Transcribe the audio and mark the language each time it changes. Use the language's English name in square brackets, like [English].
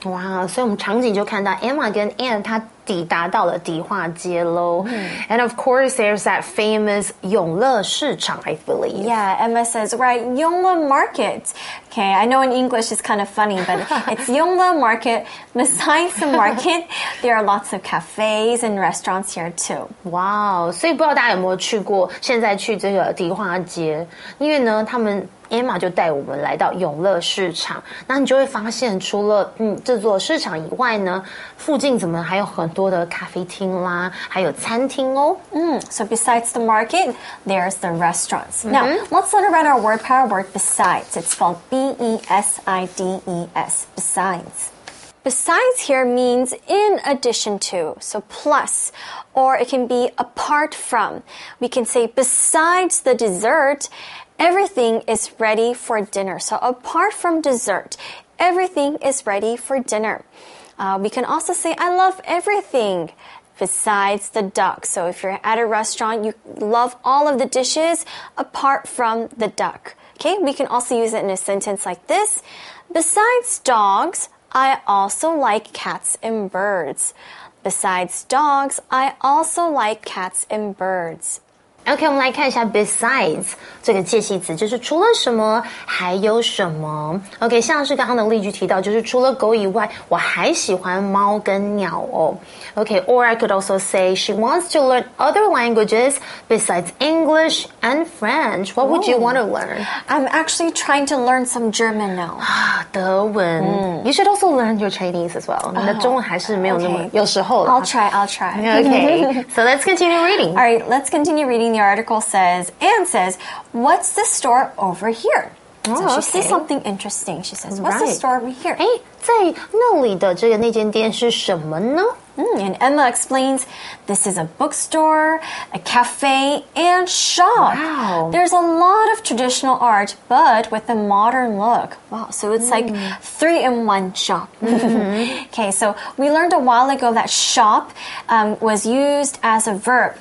[English] Wow, so [Chinese] 我们场景就看到 Emma 跟 Anne 她抵达到了迪化街咯。 [English] And of course, there's that famous 永乐市场, I believe. Yeah, Emma says, right, Yongle Market. Okay, I know in English it's kind of funny, but it's Yongle Market. Besides the market, there are lots of cafes and restaurants here too. [Chinese] Wow, 所以不知道大家有没有去过现在去这个迪化街。因为呢他们Emma 就带我们来到永乐市场，那你就会发现除了这座市场以外呢，附近怎么还有很多的咖啡厅啦，还有餐厅哦。 [English] So besides the market, there's the restaurants. Now, let's learn about our word power word besides. It's called B-E-S-I-D-E-S, besides. Besides here means in addition to, so plus, or it can be apart from. We can say besides the dessert, everything is ready for dinner. So apart from dessert, everything is ready for dinner. We can also say I love everything. Besides the duck. So if you're at a restaurant, you love all of the dishes apart from the duck. Okay, we can also use it in a sentence like this. Besides dogs, I also like cats and birds. Besides dogs, I also like cats and birds. [Chinese] OK, 我们来看一下 besides 这个介系词，就是除了什么还有什么。 OK, 像是刚刚的例句提到，就是除了狗以外，我还喜欢猫跟鸟哦。 [English] OK, or I could also say she wants to learn other languages besides English and French. What would you want to learn? I'm actually trying to learn some German now. [Chinese] 德文。 [English] You should also learn your Chinese as well. [Chinese] 你的中文还是没有那么有时候 [English] 了。I'll try. OK, so let's continue reading. All right, let's continue reading. The article says, Anne says, what's the store over here? So she sees something interesting. She says, what's the store over here? [Chinese] 在那里的这个那间店是什么呢？ [English] And Emma explains, this is a bookstore, a cafe, and shop. Wow. There's a lot of traditional art, but with a modern look. Wow, so it's like 3-in-1 shop. Okay, so we learned a while ago that shop was used as a verb.